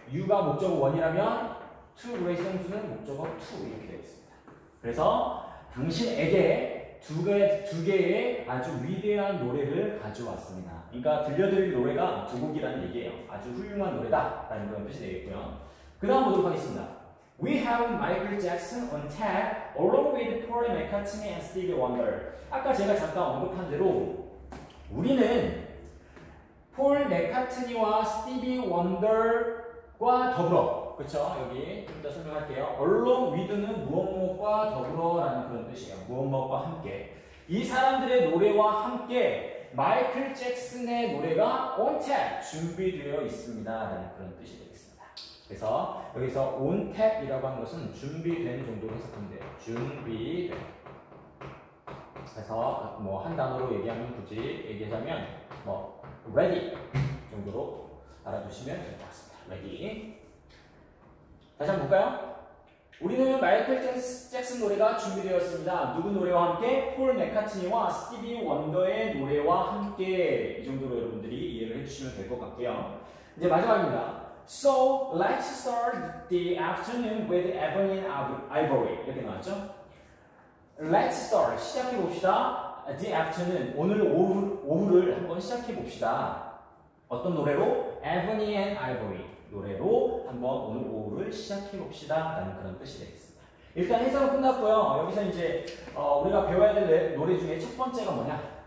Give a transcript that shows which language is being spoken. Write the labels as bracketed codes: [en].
[ko] you가 목적어 원이라면 [en] two great songs [ko] 는 목적어 two 이렇게 되어 있습니다. 그래서 당신에게 두 개의 아주 위대한 노래를 가져왔습니다. 그러니까 들려드릴 노래가 두 곡이라는 얘기예요. 아주 훌륭한 노래다라는 그런 뜻이 되겠고요. 그 다음 보도록 하겠습니다. [en] We have Michael Jackson on tap along with Paul McCartney and Stevie Wonder. [ko] 아까 제가 잠깐 언급한 대로 우리는 폴 맥카트니와 스티비 원더과 더불어 그렇죠. 여기 좀 이따 설명할게요. Along with는 무엇무엇과 더불어라는 그런 뜻이에요. 무엇무엇과 함께. 이 사람들의 노래와 함께 마이클 잭슨의 노래가 on tap 준비되어 있습니다라는 그런 뜻이 되겠습니다. 그래서 여기서 on tap이라고 하는 것은 준비된 정도로 해석하면 돼요. 준비된. 그래서 뭐한 단어로 얘기하면 굳이 얘기하자면 뭐 ready 정도로 알아두시면 될것 같습니다. Ready. 다시 한번 볼까요? 우리는 마이클 잭슨 노래가 준비되었습니다. 누구 노래와 함께? 폴 맥카트니와 스티비 원더의 노래와 함께. 이 정도로 여러분들이 이해를 해주시면 될것 같고요. 이제 마지막입니다. [en] So, let's start the afternoon with Ebony and Ivory. [ko] 이렇게 나왔죠? [en] Let's start. [ko] 시작해 봅시다. [en] The afternoon. [ko] 오늘 오후를 한번 시작해 봅시다. 어떤 노래로? Ebony and Ivory. 노래로 한번 오늘 오후를 시작해 봅시다 라는 그런 뜻이 되겠습니다. 일단 해석은 끝났고요. 여기서 이제 우리가 배워야 될 노래 중에 첫 번째가 뭐냐?